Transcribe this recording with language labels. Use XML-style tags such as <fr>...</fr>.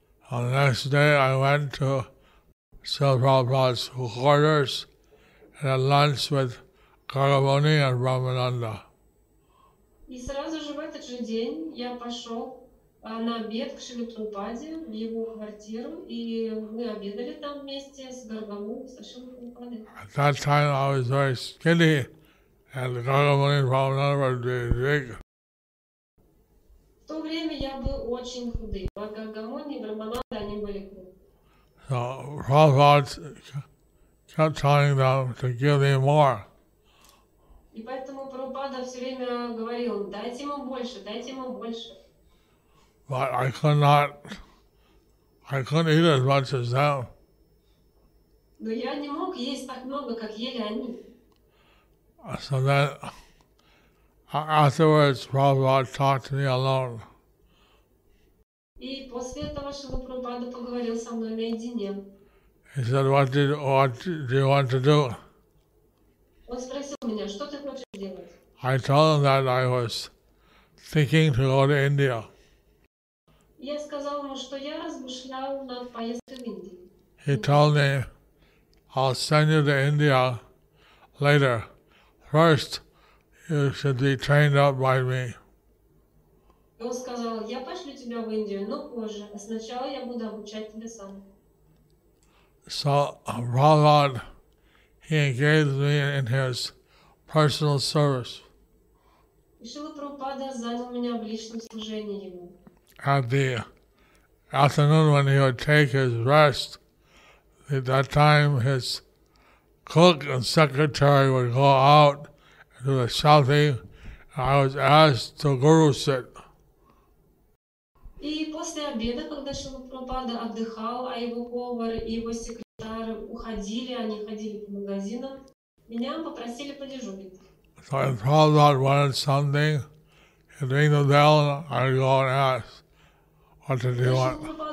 <en>The next day I went to Srila Prabhupada's quarters and had lunch with Karamuni and Brahmananda.</en> <ru>И сразу же в этот же день я пошел на обед к Шри Прабхупаде в его квартиру, и мы обедали там вместе с Гаргаму, со Шри Прабхупадой.</ru> <en>At that time I was very skinny, and Гаргамуни and Брахмананда were big.</en> <ru>В то время я был очень худым, а Гаргамуни и Брахмананда, они были худы.</ru> <en>So Prabhupada kept telling them to give me more.</en> <ru>И поэтому Прабхупада все время говорил, дайте ему больше, дайте ему больше.</ru> <en>But I couldn't eat as much as them.</en> <ru>Но я не мог есть так много, как ели они.</ru> <en>So then, afterwards, Prabhupada talked to me alone.</en> <ru>И после этого, что Прабхупада поговорил со мной наедине.</ru> <en>He said, what do you want to do?</en> <ru>Он спросил меня, что ты хочешь делать?</ru> <en>I told him that I was thinking to go to India.</en> <ru>Я сказал ему, что я размышлял над поездкой в Индию.</ru> <en>He told me, I'll send you to India later. First, you should be trained up by me.</en> <ru>И он сказал, я пошлю тебя в Индию, но позже. Сначала я буду обучать тебя сам.</ru> <en>So, Prabhupada, he engaged me in his personal service.</en> <ru>И Шрила Прабхупада занял меня в личном служении ему.</ru> <en>At the afternoon when he would take his rest, at that time his cook and secretary would go out to the shopping, and I was asked to guru sit.</en> <ru>И после обеда, когда Шрила Прабхупада отдыхал, а его повар и его секретарь уходили, они ходили по магазинам, меня попросили подежурить.</ru> <en>So if Prabhupada wanted something, he'd ring the bell and I'd go and ask. What did he want?</en>